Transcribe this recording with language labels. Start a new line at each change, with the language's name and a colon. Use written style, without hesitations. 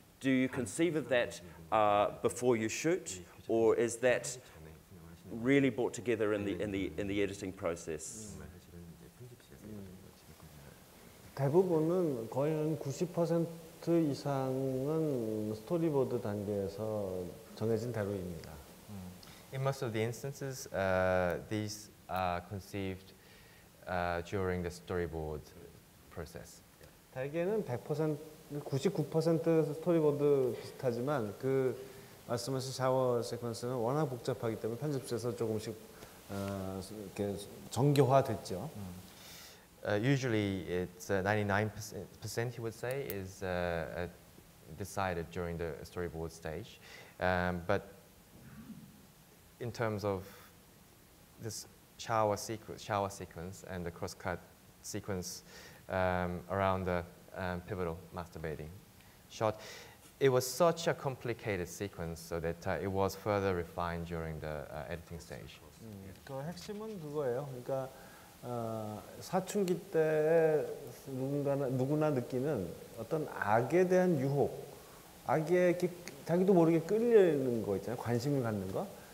English: Do you conceive of that before you shoot, or is that really brought together in the editing process?
Korean: 대부분은 거의 90% 이상은 스토리보드 단계에서 정해진 대로입니다.
English: In most of the instances, these are conceived during the storyboard process.
Korean: 대개는 100%. 99% 스토리보드 비슷하지만 그 말씀하신 샤워 세퀀스는 워낙 복잡하기 때문에 편집돼서 조금씩 이렇게 정교화됐죠.
English: Usually it's 99% he would say is decided during the storyboard stage. But in terms of this shower sequence and the crosscut sequence around the pivotal masturbating shot. It was such a complicated sequence so that it was further refined during the editing stage.
Korean: 그 핵심은 그거예요. 그러니까 사춘기 때 누구나 느끼는 어떤 악에 대한 유혹, 악에 자기도 모르게 끌리는 거 있잖아요. 관심을 갖는 거.